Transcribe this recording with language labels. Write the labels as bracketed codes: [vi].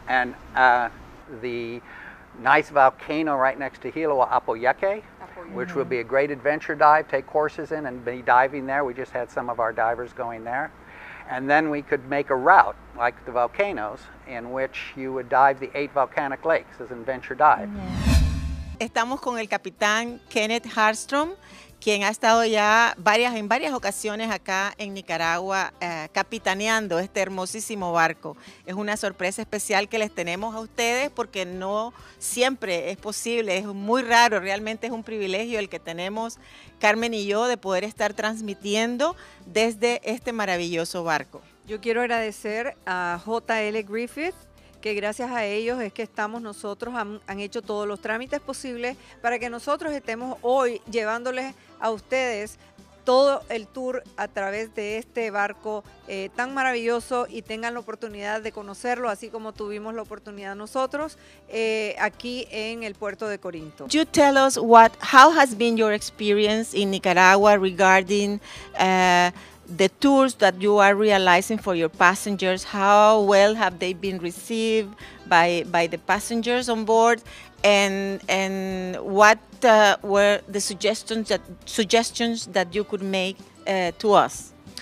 [en] And the nice volcano right next to Hilawa, Apoyeque. Mm-hmm. Which will be a great adventure dive, take courses in and be diving there. We just had some of our divers going there. And then we could make a route, like the volcanoes, in which you would dive the 8 volcanic lakes as an adventure dive. [es] Estamos con el capitán Kenneth Hartstrom, quien ha estado ya en varias ocasiones acá en Nicaragua capitaneando este hermosísimo barco. Es una sorpresa especial que les tenemos a ustedes porque no siempre es posible, es muy raro, realmente es un privilegio el que tenemos Carmen y yo de poder estar transmitiendo desde este maravilloso barco. Yo quiero agradecer a J.L. Griffith, que gracias a ellos es que estamos nosotros, han hecho todos los trámites posibles para que nosotros estemos hoy llevándoles a ustedes todo el tour a través de este barco tan maravilloso y tengan la oportunidad de conocerlo, así como tuvimos la oportunidad nosotros aquí en el puerto de Corinto. [en] You tell us what, how has been your experience in Nicaragua regarding the tours that you are realizing for your passengers? How well have they been received by the passengers on board? And what were the suggestions that you could make to us?